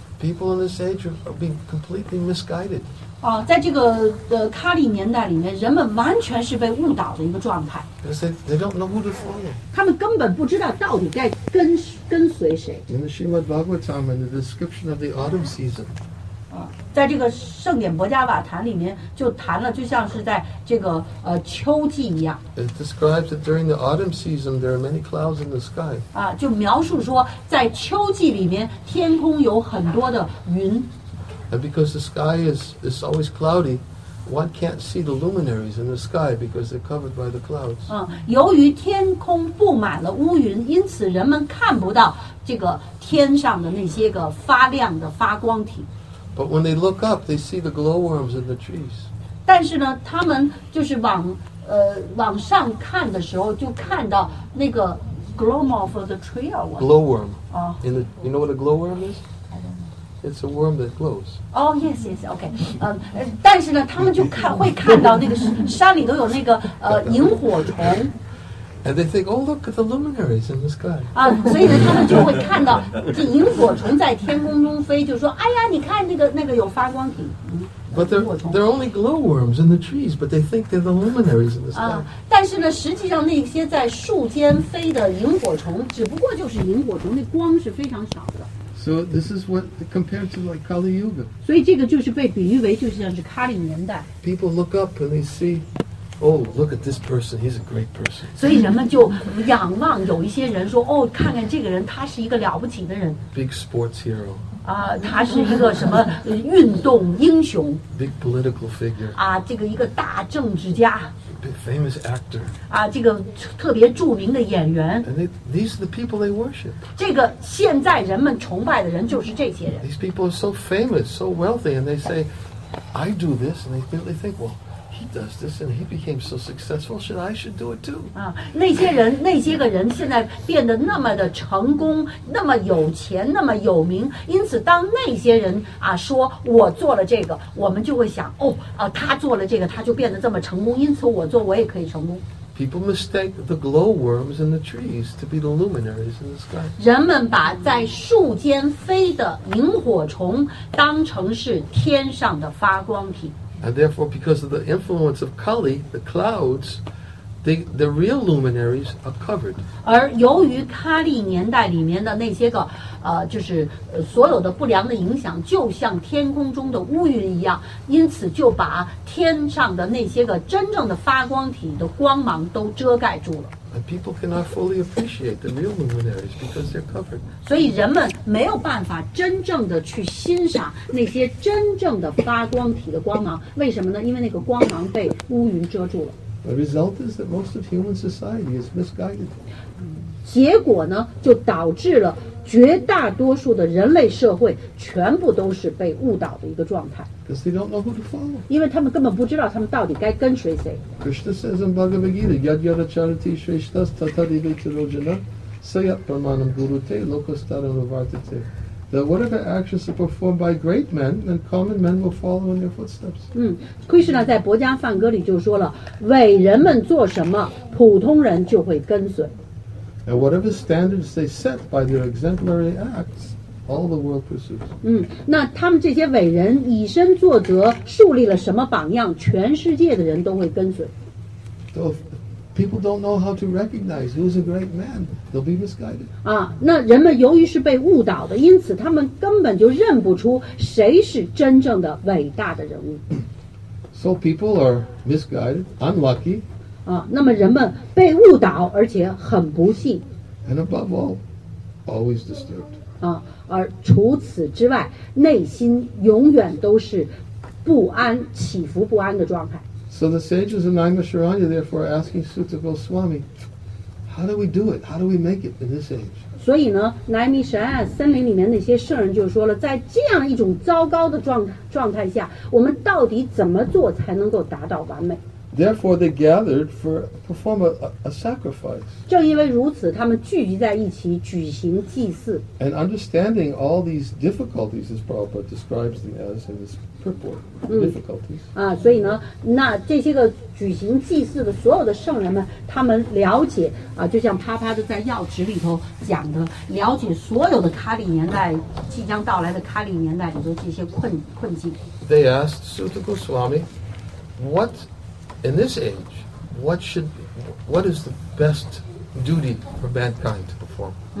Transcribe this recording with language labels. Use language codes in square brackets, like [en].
[en] People in this age are being completely misguided. [zh] 在这个卡利年代里面，人们完全是被误导的一个状态。 [en] Because they don't know who to follow. [zh] 他们根本不知道到底该跟随谁。 [en] In the Srimad Bhagavatam, in the description of the autumn season. [zh] 在这个圣典薄伽瓦坛里面就谈了，就像是在这个秋季一样。 [en] It describes that during the autumn season there are many clouds in the sky. [zh] 就描述说在秋季里面天空有很多的云。 [en] And because the sky is always cloudy, one can't see the luminaries in the sky because they're covered by the clouds. [zh] 由于天空布满了乌云，因此人们看不到这个天上的那些个发亮的发光体。 [en] But when they look up, they see the glowworms in the trees. [zh] 但是呢，他们就是往上看的时候，就看到那个 [en] glowworm of the tree. Glowworm. You know what a glowworm is? It's a worm that glows. Oh yes, yes. Okay. [zh] 但是呢，他们就会看到那个山里都有那个萤火虫。 [en] And they think, oh, look at the luminaries in the sky. [zh] 所以呢，他们就会看到这萤火虫在天空中飞，就说，哎呀，你看那个有发光体。 [en] But they're only glowworms in the trees, but they think they're the luminaries in the sky. [zh] 但是呢，实际上那些在树间飞的萤火虫，只不过就是萤火虫，那光是非常少的。 [en] So this is what compared to like Kali Yuga. [zh] 所以这个就是被比喻为就像是卡利年代。 [en] People look up and they see. Oh, look at this person. He's a great person. [zh] 所以人们就仰望有一些人说，哦，看看这个人，他是一个了不起的人。 [en] Big sports hero. [zh] 他是一个什么运动英雄。 [en] Big political figure. [zh] 这个一个大政治家。 [en] Big famous actor. [zh] 这个特别著名的演员。 [en] And these are the people they worship. [zh] 这个现在人们崇拜的人就是这些人。 [en] These people are so famous, so wealthy, and they say, I do this, and they immediately think, well,He does this, and he became so successful. I should do it too. [zh] 那些人，那些个人现在变得那么的成功，那么有钱，那么有名。因此，当那些人说我做了这个，我们就会想，他做了这个，他就变得这么成功。因此，我也可以成功。 [en] People mistake the glowworms in the trees to be the luminaries in the sky. [zh] 人们把在树间飞的萤火虫当成是天上的发光体。 [en] And therefore, because of the influence of Kali, the clouds, the real luminaries are covered. [zh] 而由于卡利年代里面的那些个就是所有的不良的影响，就像天空中的乌云一样，因此就把天上的那些个真正的发光体的光芒都遮盖住了。 [en] And people cannot fully appreciate the real luminaries because they're covered. [zh] 所以人们没有办法真正的去欣赏那些真正的发光体的光芒。为什么呢？因为那个光芒被乌云遮住了。 [en] The result is that most of human society is misguided. [zh] 结果呢，就导致了绝大多数的人类社会全部都是被误导的一个状态。 [en] Because they don't know who to follow. [zh] 因为他们根本不知道他们到底该跟随谁。 [en] Krishna says in Bhagavad Gita, [sa] "Yad yad acharati shreshtas tatad eva tirojana sayat pramanam gurute lokastaram avartate." [en] That whatever actions are performed by great men, then common men will follow in their footsteps. [zh] Krishna 在薄伽梵歌里就说了，伟人们做什么，普通人就会跟随。 [en] And whatever standards they set by their exemplary acts, all the world pursues. [zh] 那他们这些伟人以身作则，树立了什么榜样，全世界的人都会跟随。 [en] So people don't know how to recognize who's a great man, they'll be misguided. [zh] 那人们由于是被误导的，因此他们根本就认不出谁是真正的伟大的人物。 [en] So people are misguided, unlucky. [zh] 那么人们被误导，而且很不幸。 [en] And above all, always disturbed. [zh] 而除此之外，内心永远都是不安、起伏不安的状态。 [en] So the sages in Naimasharanya therefore are asking Sutta Goswami, how do we do it? How do we make it in this age? [zh] 所以呢，乃米什安森林里面那些圣人就说了，在这样一种糟糕的状态下，我们到底怎么做才能够达到完美？ [en] Therefore, they gathered for perform a sacrifice. [zh] 正因为如此，他们聚集在一起举行祭祀。 [en] And understanding all these difficulties, as Prabhupada describes them as in his purport, difficulties. [zh] 所以呢，那这些个举行祭祀的所有的圣人们，他们了解就像啪啪的在要旨里头讲的，了解所有的卡里年代即将到来的卡里年代里头这些困境。 [en] They asked Sutta Goswami, what? In this age, what is the best duty for mankind to perform?